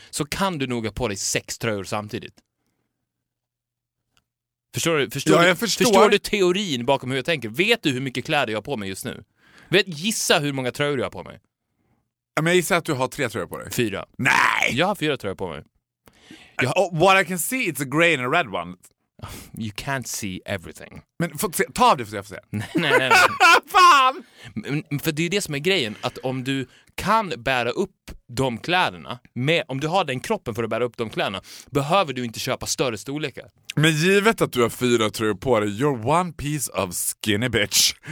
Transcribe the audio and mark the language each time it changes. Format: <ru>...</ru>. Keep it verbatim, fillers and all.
<sv>så kan du nog ha på dig sex tröjor samtidigt. Förstår du, förstår, ja, du, jag förstår. förstår du teorin bakom hur jag tänker? Vet du hur mycket kläder jag har på mig just nu? Vet, gissa hur många tröjor jag har på mig. Men jag gissar att du har tre tröjor på dig. Fyra. Nej! Jag har fyra tröjor på mig. Jag...</sv> <en>Oh, what I can see it's a grey and a red one. You can't see everything.</en> <sv>Men får se, ta av det för att jag får se. nej, nej, nej. Fan! Men, för det är ju det som är grejen, att om du kan bära upp de kläderna, med, om du har den kroppen för att bära upp de kläderna, behöver du inte köpa större storlekar. Men givet att du har fyra tröjor på dig,</sv> <en>you're one piece of skinny bitch.</en>